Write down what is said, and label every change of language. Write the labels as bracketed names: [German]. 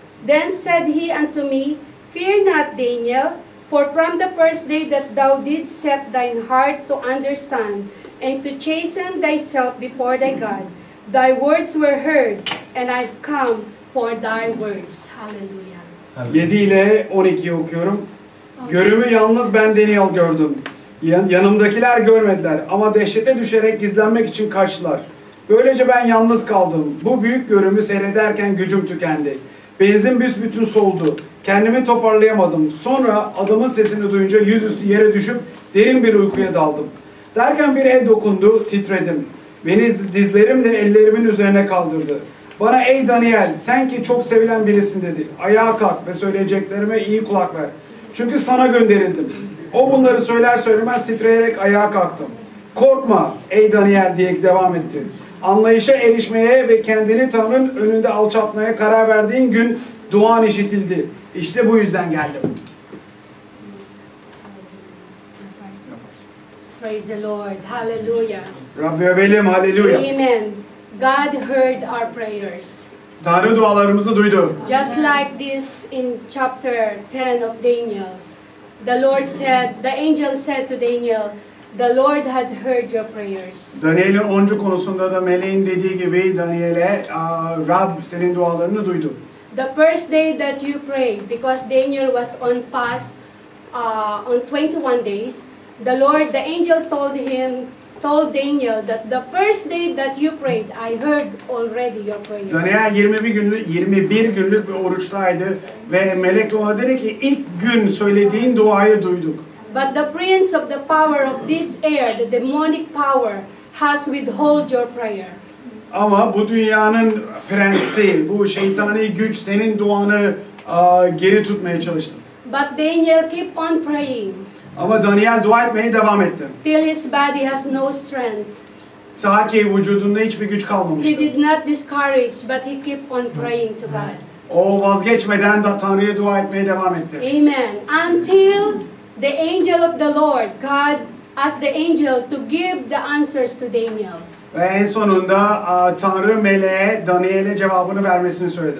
[English] Then said he unto me, Fear not, Daniel, for from the first day that thou didst set thine heart to understand and to chasten thyself before thy God, thy words were heard, and I've come for thy words. Hallelujah. [Turkish] 7 ile 12'yi okuyorum. Görümü yalnız ben Daniel gördüm. Yanımdakiler görmediler ama dehşete düşerek gizlenmek için kaçtılar. Böylece ben yalnız kaldım. Bu büyük görümü seyrederken gücüm tükendi. Benzin büsbütün soldu. Kendimi toparlayamadım. Sonra adamın sesini duyunca yüzüstü yere düşüp derin bir uykuya daldım. Derken bir el dokundu, titredim. Beni dizlerimle ellerimin üzerine kaldırdı. Bana ey Daniel, sen ki çok sevilen birisin dedi. Ayağa kalk ve söyleyeceklerime iyi kulak ver. Çünkü sana gönderildim. O bunları söyler söylemez titreyerek ayağa kalktım. Korkma ey Daniel diye devam etti. Anlayışa erişmeye ve kendini Tanrı'nın önünde alçaltmaya karar verdiğin gün duan işitildi. İşte bu yüzden geldim. [English] Praise the Lord. Hallelujah. [Turkish] Rabbi övelim. Hallelujah. [English] Amen. God heard our prayers. [Turkish] Tanrı dualarımızı duydu. [English] Just like this in chapter 10 of Daniel. The Lord said, the angel said to Daniel, the Lord had heard your prayers. [Turkish] Daniel'in 10. konusunda da meleğin dediği gibi Daniel'e Rab senin dualarını duydu. [English] The first day that you prayed, because Daniel was on fast on 21 days, the Lord, the angel told Daniel that the first day that you prayed, I heard already your prayers. [Turkish] Daniel 21 günlük bir oruçtaydı ve melek ona dedi ki ilk gün söylediğin duayı duyduk. [English] But the prince of the power of this air, the demonic power, has withheld your prayer. [Turkish] Ama bu dünyanın prensi, bu şeytani güç senin duanı geri tutmaya çalıştı. [English] But Daniel kept on praying. [Turkish] Ama Daniel dua etmeye devam etti. [English] Till his body has no strength. [Turkish] Ta ki vücudunda hiçbir güç kalmamıştı. [English] He did not discourage, but he kept on praying to God. [Turkish] O vazgeçmeden de Tanrı'ya dua etmeye devam etti. Amen. [English] Until the angel of the Lord, God asked the angel to give the answers to Daniel. [Turkish] Ve en sonunda Tanrı meleğe Daniel'e cevabını vermesini söyledi.